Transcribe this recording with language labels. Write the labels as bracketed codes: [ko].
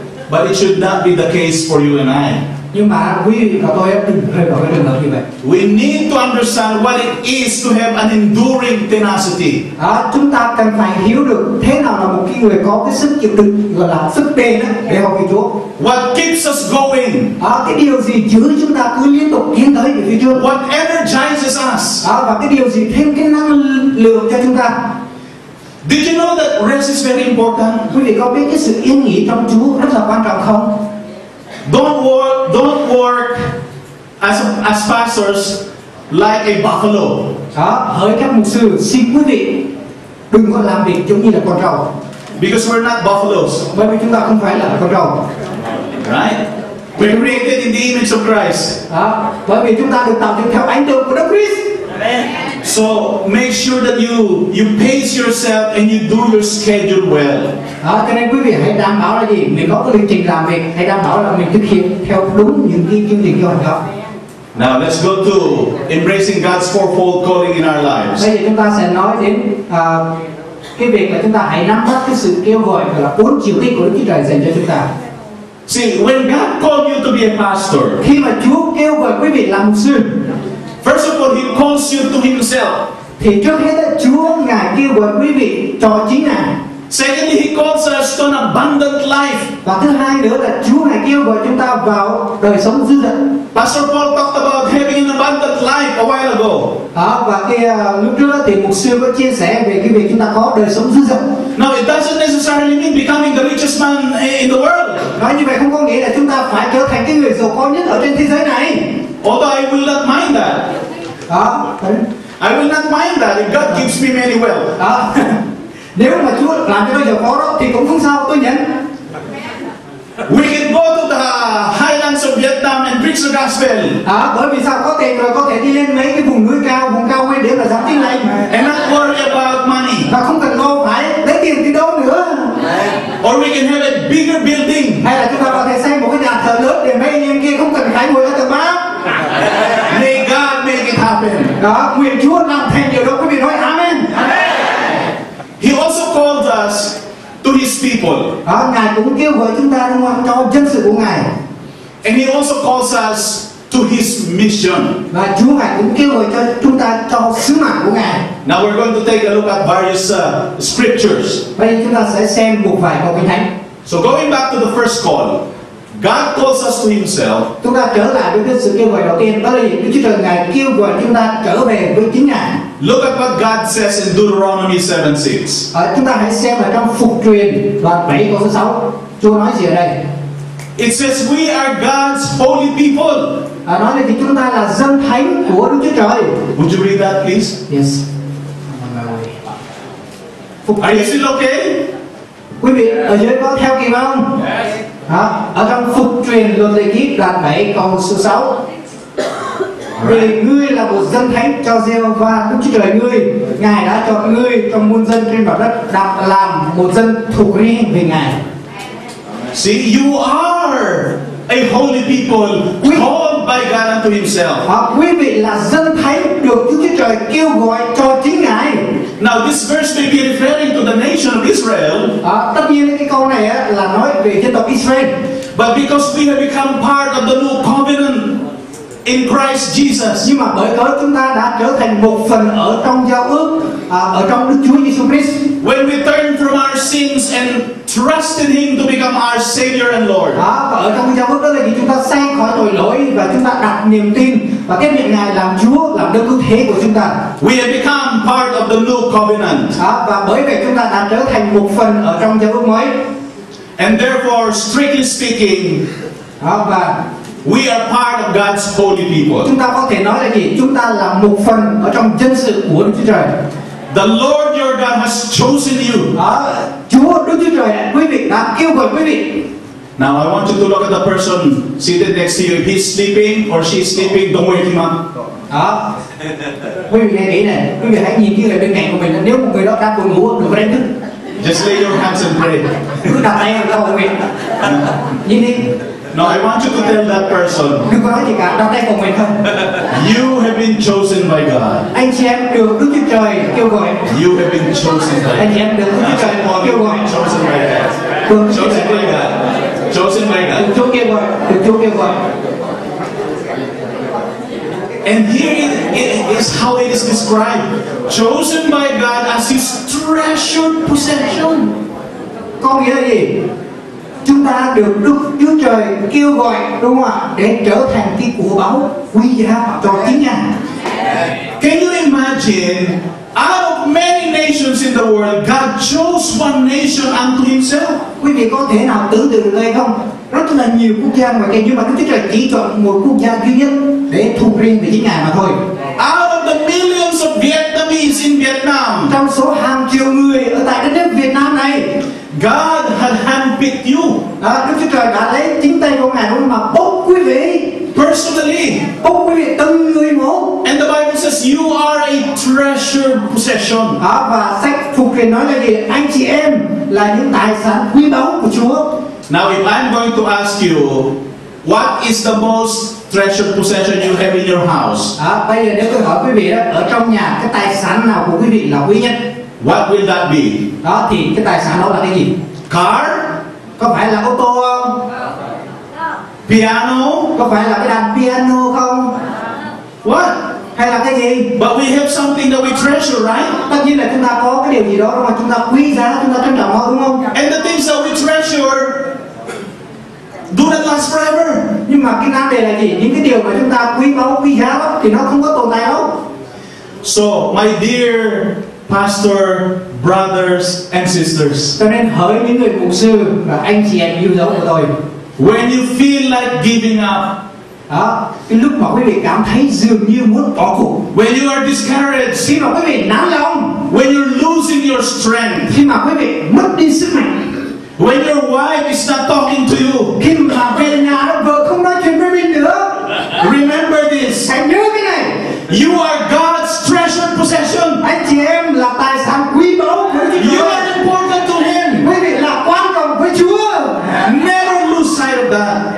[en] But it should not be the case for you and I. [vi] Nhưng mà quý vị và tôi đừng rơi vào cái trường hợp như vậy. [en] We need to understand what it is to have an enduring tenacity. [vi] Chúng ta cần phải hiểu được thế nào là một cái người có cái sức chịu đựng, gọi là sức bền á, để học về Chúa. [en] What keeps us going? [vi] Cái điều gì giữ chúng ta cứ liên tục tiến tới về phía trước? [en] What energizes us? [vi] Và cái điều gì thêm cái năng lượng cho chúng ta? [en] Did you know that rest is very important? [vi] Quý vị có biết cái sự yên nghỉ trong Chúa rất là quan trọng không? [en] Don't work as pastors like a buffalo. [vi] Hỡi các mục sư, xin quý vị đừng có làm việc giống như là con trâu. [en] Because we're not buffaloes. [vi] Bởi vì chúng ta không phải là con trâu. [en] Right? We're created in the image of Christ. [vi] Bởi vì chúng ta được tạo dựng theo ảnh tượng của Đấng Christ. [en] So make sure that you pace yourself and you do your schedule well. [vi] Cho nên quý vị hãy đảm bảo là gì? Mình có cái lịch trình làm việc, hãy đảm bảo là mình thực hiện theo đúng những cái chương trình giao nhiệm. [en] Now let's go to embracing God's fourfold calling in our lives. [vi] Bây giờ chúng ta sẽ nói đến cái việc là chúng ta hãy nắm bắt cái sự kêu gọi là bốn chiều đích của Đức Chúa Trời dành cho chúng ta. [en] See, when God called you to be a pastor. [vi] Khi mà Chúa kêu gọi quý vị làm sư. [en] First of all, He calls you to Himself. [vi] Thì trước hết là Chúa ngài kêu gọi quý vị cho chính ngài. [en] Secondly, He calls us to an abundant life. [vi] Và thứ hai nữa là Chúa ngài kêu gọi chúng ta vào đời sống dư dật. [en] Pastor Paul talked about having an abundant life a while ago. [vi] Và cái lúc trước thì mục sư có chia sẻ về cái việc chúng ta có đời sống dư dật. [en] No, it doesn't necessarily mean becoming the richest man in the world. [vi] Nói như vậy không có nghĩa là chúng ta phải trở thành cái người giàu có nhất ở trên thế giới này. [en] Although I will not mind that. À, I will not mind that if God gives me many wealth. [vi] À, nếu mà Chúa làm cho tôi giàu có đó thì cũng không sao, tôi nhận. [en] We can go to the highlands of Vietnam and preach the gospel. [vi] À, bởi vì sao? Có tiền rồi có thể đi lên mấy cái vùng cao nguyên để mà giảng tin lành. [en] And not worry about money. [vi] Và không cần lo phải lấy tiền đi đâu nữa. [en] Or we can have a bigger building. [vi] Hay là chúng ta có thể xây một cái nhà thờ lớn để mấy anh em kia không cần phải ngồi ở tầng ba. [en] May God make it happen. [vi] Đó, nguyện Chúa làm thành điều đó, quý vị nói amen. [en] Amen. He also called us to his people. [vi] À, Ngài cũng kêu gọi chúng ta đúng không? Cho dân sự của Ngài. [en] And he also calls us to his mission. [vi] Và Chúa Ngài cũng kêu gọi cho chúng ta cho sứ mạng của Ngài. [en] Now we're going to take a look at various scriptures. [vi] Bây giờ chúng ta sẽ xem một vài câu kinh thánh. [en] So going back to the first call, God calls us to himself. [vi] Chúng ta trở lại với cái sự kêu gọi đầu tiên, đó là Đức Chúa Trời Ngài kêu gọi chúng ta trở về với chính Ngài. [en] Look at what God says in Deuteronomy 7:6. [vi] Chúng ta hãy xem ở trong Phục Truyền đoạn 7 câu 6. Chúa nói gì ở đây? [en] It says we are God's holy people. [vi] Nói là chúng ta là dân thánh của Đức Chúa Trời. [en] Would you read that please? Yes. Are you still okay? [vi] Quý vị ở dưới có theo kịp không? [en] Yes. [vi] Ở trong Phục Truyền Luân Lê Kíp đoạn 7 câu số 6. Vì ngươi là một dân thánh cho Giê-hô-va Đức Chúa Trời ngươi, Ngài đã chọn ngươi trong muôn dân trên mặt đất đặt làm một dân thuộc riêng về Ngài. [en] See, you are a holy people called by God unto himself. [vi] Quý vị là dân thánh được Đức Chúa Trời kêu gọi cho chính Ngài. [en] Now this verse may be referring to the nation of Israel. [vi] Tất nhiên cái câu này á là nói về dân tộc Israel. [en] But because we have become part of the new covenant in Christ Jesus. [vi] Nhưng mà bởi cớ chúng ta đã trở thành một phần ở trong giao ước, ở trong Đức Chúa Jesus Christ. [en] When we turn from our sins and trust in Him to become our Savior and Lord. [vi] Và ở trong giao ước đó là khi chúng ta xem khỏi tội lỗi và chúng ta đặt niềm tin và tiếp nhận Ngài làm Chúa, làm Đấng cứu thế của chúng ta. [en] We have become part of the new covenant. [vi] Và bởi vậy chúng ta đã trở thành một phần ở trong giao ước mới. [en] And therefore, strictly speaking, we are part of God's holy people. [vi] Chúng ta có thể nói là gì? Chúng ta là một phần ở trong dân sự của Đức Chúa Trời. [en] The Lord your God has chosen you. [vi] Chúa Đức Chúa Trời quý vị đã kêu gọi quý vị. [en] Now I want you to look at the person seated next to you. If he's sleeping or she's sleeping, don't wake him up. [vi] Quý vị nghe kỹ này. Quý vị hãy nhìn cái người bên cạnh của mình. Nếu một người đó đang buồn ngủ, đừng có đánh thức. [en] Just lay your hands and pray. [vi] Cứ đặt tay vào đầu mình. Nhìn đi. [en] No, I want you to tell that person. [vi] Đừng có nói gì cả, đặt tay của mình không. [en] You have been chosen by God. [vi] Anh chị em được Đức Chúa Trời kêu gọi. [en] You have been chosen by God. [vi] Anh chị em được Đức Chúa Trời kêu gọi. [en] Chosen by God. Chosen by God. Chosen by God. [vi] Được Chúa kêu gọi. Được Chúa kêu gọi. [en] And here is how it is described. Chosen by God as His treasured possession. [vi] Có nghĩa là gì? Chúng ta được Đức Chúa Trời kêu gọi đúng không ạ để trở thành cái của báu quý giá cho chính Ngài. [en] Can you imagine out of many nations in the world God chose one nation unto himself? [vi] Quý vị có thể nào tưởng tượng được đây không? Rất là nhiều quốc gia mà nhưng mà Đức Chúa Trời chỉ chọn một quốc gia duy nhất để thuộc riêng về chính Ngài mà thôi. [en] Out of the millions of Vietnamese in Vietnam. [vi] Trong số hàng triệu người ở tại đất nước Việt Nam này, [en] God had handpicked you. [vi] Đức Chúa Trời đã lấy chính tay của Ngài mà bốc quý vị. [en] Personally. [vi] Bốc quý vị từng người một. [en] And the Bible says you are a treasured possession. [vi] Và sách Phục Truyền nói là gì? Anh chị em là những tài sản quý báu của Chúa. [en] Now if I'm going to ask you, what is the most treasured possession you have in your house? [vi] Bây giờ nếu tôi hỏi quý vị đó, ở trong nhà cái tài sản nào của quý vị là quý nhất? [en] What will that be? [vi] Đó thì cái tài sản đó là cái gì? [en] Car? [vi] Có phải là ô tô không? [en] Piano? [vi] Có phải là cái đàn piano không? [en] What? [vi] Hay là cái gì? [en] But we have something that we treasure, right? [vi] Tất nhiên là chúng ta có cái điều gì đó mà chúng ta quý giá, chúng ta trân trọng nó đúng không? [en] And the things that we treasure do not last forever. [vi] Nhưng mà cái vấn đề là gì? Những cái điều mà chúng ta quý báu, quý giá đó, thì nó không có tồn tại đâu. [en] So, my dear Pastor brothers and sisters. [vi] Cho nên hỡi những người mục sư và anh chị em yêu dấu của tôi. [en] When you feel like giving up, [vi] à, cái lúc mà quý vị cảm thấy dường như muốn bỏ cuộc. [en] When you are discouraged, [vi] khi mà quý vị nản lòng. [en] When you're losing your strength, [vi] khi mà quý vị mất đi sức mạnh. [en] When your wife is not talking to you, [vi] khi mà về nhà vợ không nói chuyện với mình nữa. [en] Remember this, [vi] hãy nhớ cái này. [en] You are God's treasured possession. [vi] Anh chị em là tài sản quý báu của Chúa. [en] You are important to Him. [vi] Quý vị là quan trọng với Chúa. [en] Never lose sight of that.